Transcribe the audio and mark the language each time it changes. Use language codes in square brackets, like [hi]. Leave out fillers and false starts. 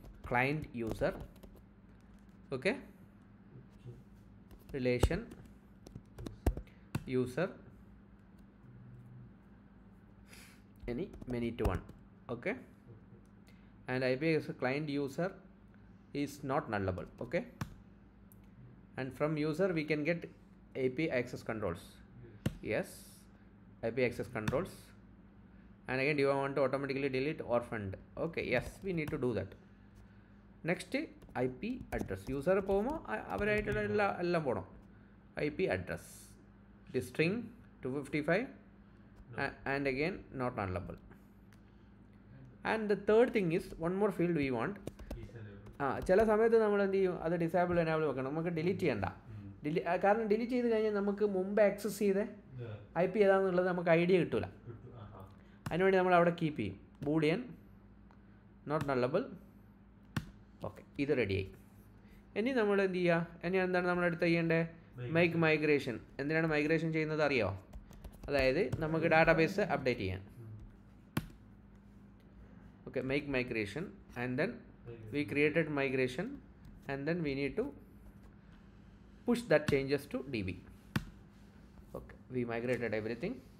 [en] Client user, okay relation user, ഇനി many to one, okay and I P X client user is not nullable, okay and from user we can get APIAccess controls. Yes, APIAccess controls. And again, do you want to automatically delete or orphaned? Okay, yes, we need to do that. Next, IP address. User pomo, avaraitella ponom. IP address. The string 255. No. And again, not nullable. And the third thing is, one more field we want. [ml] ചില സമയത്ത് നമ്മൾ എന്ത് ചെയ്യും, അത് disable enable വെക്കണം. നമുക്ക് delete ചെയ്യണ്ട, കാരണം ഡിലീറ്റ് ചെയ്ത് കഴിഞ്ഞാൽ നമുക്ക് മുമ്പ് ആക്സസ് ചെയ്ത ഐ പി ഏതാണെന്നുള്ളത് നമുക്ക് ഐഡിയ കിട്ടൂല. അതിനുവേണ്ടി നമ്മൾ അവിടെ കീപ്പ് ചെയ്യും ബൂളിയൻ നോട്ട് നല്ലബിൾ. ഓക്കെ, ഇത് റെഡിയായി. ഇനി നമ്മൾ എന്ത് ചെയ്യുക, ഇനി എന്താണ് നമ്മൾ അടുത്ത് ചെയ്യേണ്ടത്? Make migration. എന്തിനാണ് മൈഗ്രേഷൻ ചെയ്യുന്നത് അറിയോ? അതായത് നമുക്ക് ഡാറ്റാബേസ് അപ്ഡേറ്റ് ചെയ്യാൻ. [en] Okay, make migration and then we created migration and then we need to push that changes to db. okay, we migrated everything.